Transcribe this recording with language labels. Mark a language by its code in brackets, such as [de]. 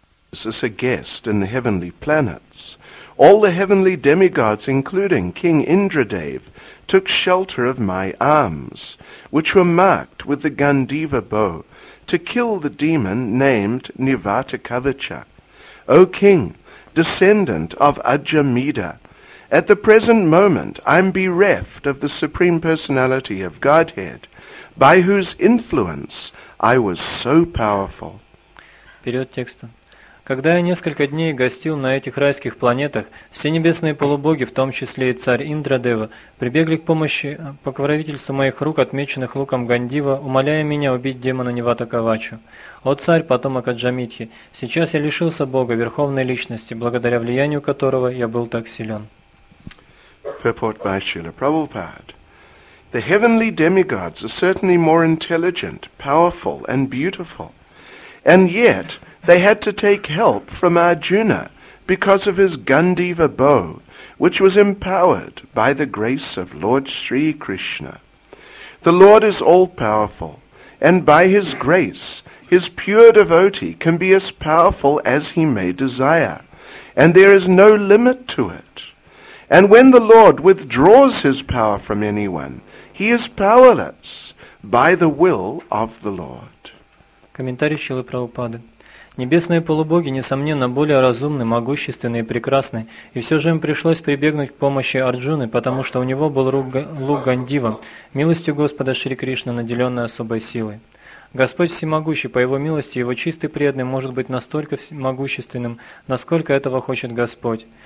[en] This is a guest in the heavenly planets. All the heavenly demigods, including King Indradev, took shelter of my arms, which were marked with the Gandiva bow, to kill the demon named Nivatakavacha. O king, descendant of Ajamida, at the present moment I'm bereft of the Supreme Personality of Godhead, by whose influence I was so powerful. [ru] Вперед текста. Когда я несколько дней гостил на этих райских планетах, все небесные полубоги, в том числе и царь Индрадева, прибегли к помощи покровительства моих рук, отмеченных луком Гандива, умоляя меня убить демона Неватакавачу. О царь, потомок Аджамитхи, сейчас я лишился Бога, Верховной Личности, благодаря влиянию которого я был так силен. [en] Purport by Srila Prabhupada. The heavenly demigods are certainly more intelligent, powerful, and beautiful. And yet, they had to take help from Arjuna because of his Gandiva bow, which was empowered by the grace of Lord Sri Krishna. The Lord is all-powerful, and by his grace, his pure devotee can be as powerful as he may desire, and there is no limit to it. And when the Lord withdraws his power from anyone, he is powerless by the will of the Lord. [ru] Комментарий Шрилы Прабхупады. Небесные полубоги, несомненно, более разумны, могущественны и прекрасны, и все же им пришлось прибегнуть к помощи Арджуны, потому что у него был лук Гандива, милостью Господа Шри Кришны, наделенной особой силой. Господь всемогущий, по его милости, его чистый преданный может быть настолько могущественным, насколько этого хочет Господь.